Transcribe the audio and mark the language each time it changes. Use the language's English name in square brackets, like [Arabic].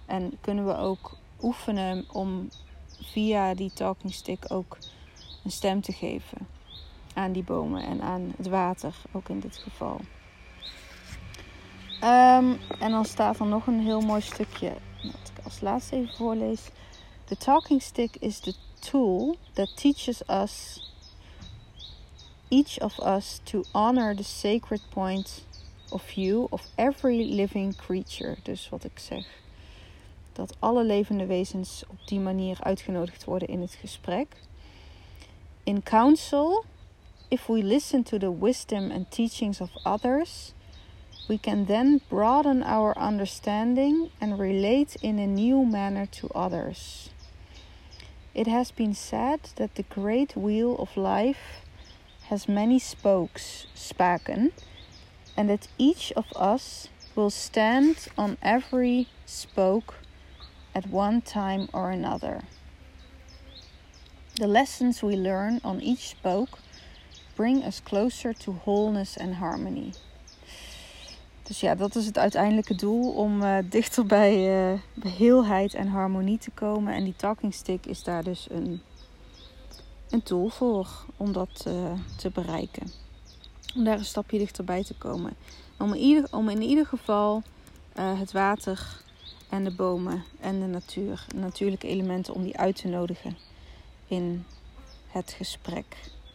[Dutch] En kunnen we ook oefenen om via die talking stick ook een stem te geven aan die bomen en aan het water, ook in dit geval. En dan staat er nog een heel mooi stukje, wat ik als laatste even voorlees. [English] The talking stick is the tool that teaches us, each of us, to honor the sacred point of view of every living creature. [Dutch] Dus wat ik zeg, dat alle levende wezens op die manier uitgenodigd worden in het gesprek. [English] In council, if we listen to the wisdom and teachings of others, we can then broaden our understanding and relate in a new manner to others. It has been said that the great wheel of life has many spaken, and that each of us will stand on every spoke at one time or another. The lessons we learn on each spoke bring us closer to wholeness and harmony. [Dutch] Dus ja, dat is het uiteindelijke doel, om dichter bij heelheid en harmonie te komen. En die talking stick is daar dus een tool voor, om dat te bereiken. Om daar een stapje dichterbij te komen. Om in ieder geval het water en de bomen en de natuur, natuurlijke elementen, om die uit te nodigen in het gesprek.